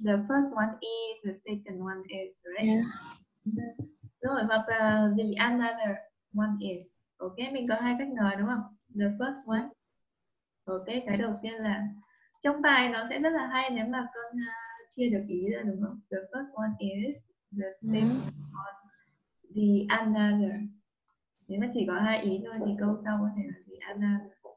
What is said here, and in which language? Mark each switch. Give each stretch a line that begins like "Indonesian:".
English: The first one is, the second one is, right?
Vietnamese: Rồi,
English: yeah. No, the another one is. Okay,
Vietnamese: mình có hai cách nói đúng không?
English: The first one.
Vietnamese: Okay, cái đầu tiên là trong bài nó sẽ rất là hay nếu mà con chia được ý ra đúng không?
English: The first one is the same on the another.
Vietnamese: Nếu mà chỉ có hai ý thôi thì câu sau có thể là
English: the another.